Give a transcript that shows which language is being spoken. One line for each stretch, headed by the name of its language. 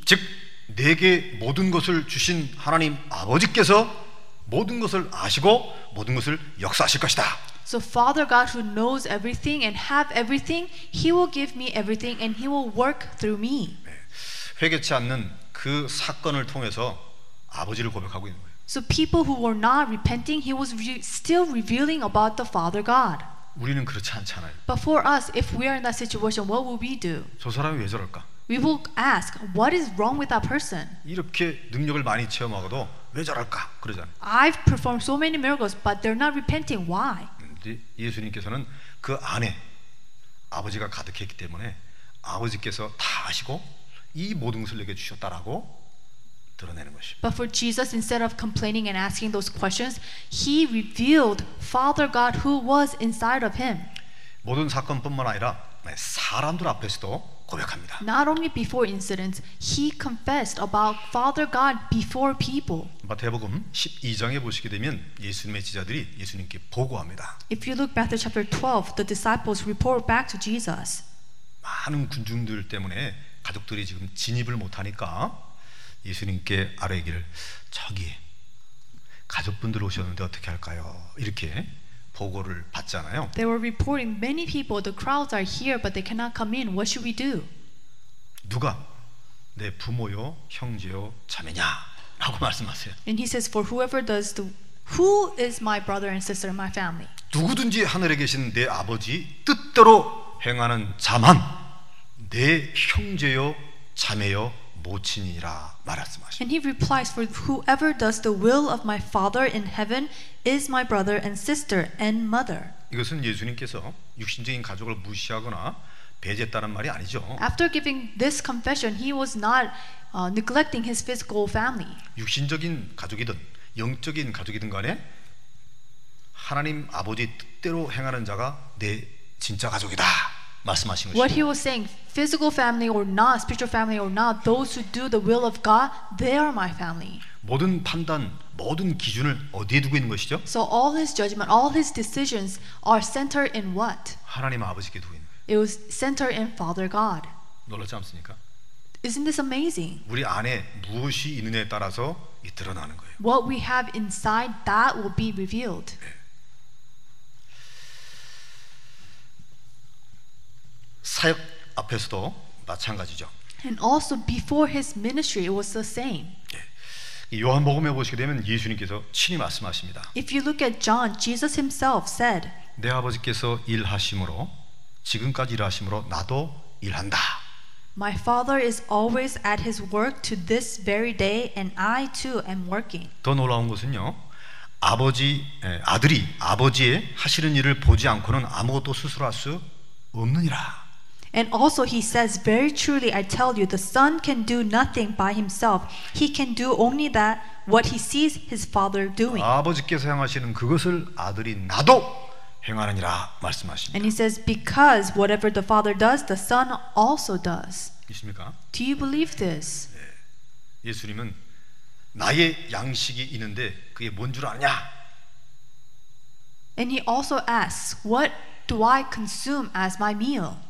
Korean: 즉 내게 모든 것을 주신 하나님 아버지께서 모든 것을 아시고 모든 것을 역사하실 것이다.
English: So Father God who knows everything and have everything, he will give me everything and he will work through me.
Korean: 회개치 않는 그 사건을 통해서 아버지를 고백하고 있는 거예요.
English: So people who were not repenting, he was still revealing about the Father God.
Korean: 우리는 그렇지 않잖아요.
English: But for us, if we are in that situation, what will we do?
Korean: 저 사람이 왜 저럴까?
English: We will ask, what is wrong with that person?
Korean: 이렇게 능력을 많이 체험하고도 왜 저럴까? 그러잖아요.
English: I've performed so many miracles, but they're not repenting. Why?
Korean: 예수님께서는 그 안에 아버지가 가득했기 때문에 아버지께서 다 아시고 이 모든 것을 내게 주셨다라고 드러내는 것입니다.
English: But for Jesus, instead of complaining and asking those questions, he revealed Father God who was inside of him.
Korean: 모든 사건뿐만 아니라 사람들 앞에서도 고백합니다.
English: Not only before incidents, he confessed about Father God before people.
Korean: 마태복음 12장에 보시게 되면 예수님의 제자들이 예수님께 보고합니다.
English: If you look Matthew chapter 12, the disciples report back to Jesus.
Korean: 많은 군중들 때문에 가족들이 지금 진입을 못하니까 예수님께 아뢰기를 저기 가족분들 오셨는데 어떻게 할까요? 이렇게 보고를 받잖아요.
English: They were reporting many people. The crowds are here, but they cannot come in. What should we do?
Korean: 누가 내 부모요, 형제요, 자매냐라고 말씀하세요.
English: And he says, for whoever does the who is my brother and sister in my family.
Korean: 누구든지 하늘에 계신 내 아버지 뜻대로 행하는 자만 내 형제요, 자매요, 모친이라 말씀하십니다.
English: And he replies, for whoever does the will of my Father in heaven is my brother and sister and mother.
Korean: 이것은 예수님께서 육신적인 가족을 무시하거나 배제했다는 말이 아니죠.
English: After giving this confession, he was not neglecting his physical family.
Korean: 육신적인 가족이든 영적인 가족이든 간에 하나님 아버지 뜻대로 행하는 자가 내 진짜 가족이다.
English: What he was saying, physical family or not, spiritual family or not, those who do the will of God, they are my family.
Korean: 모든 판단, 모든 기준을 어디에 두고 있는 것이죠?
English: So all his judgment, all his decisions are centered in what?
Korean: 하나님 아버지께 두고 있는.
English: It was centered in Father God.
Korean: 놀랍지 않습니까?
English: Isn't this amazing?
Korean: 우리 안에 무엇이 있느냐에 따라서 드러나는 거예요.
English: What we have inside, that will be revealed.
Korean: 네. 사역 앞에서도 마찬가지죠.
English: And also before his ministry, it was the same.
Korean: 예. 요한복음에 보시게 되면 예수님께서 친히 말씀하십니다.
English: If you look at John, Jesus himself said,
Korean: 내 아버지께서 일하심으로 지금까지 일하심으로 나도 일한다.
English: My father is always at his work to this very day and I too am working.
Korean: 더 놀라운 것은요. 아버지 아들이 아버지의 하시는 일을 보지 않고는 아무것도 스스로 할 수 없느니라.
English: And also he says, very truly I tell you, the son can do nothing by himself. He can do only that what he sees his father doing.
Korean: 아버지께서 행하시는 그것을 아들이 나도 행하느니라 말씀하십니다.
English: And he says, because whatever the father does, the son also does.
Korean: 믿습니까?
English: Do you believe this?
Korean: 네. 예수님은 나의 양식이 있는데 그게 뭔 줄 아냐?
English: And he also asks, what do I consume as my meal?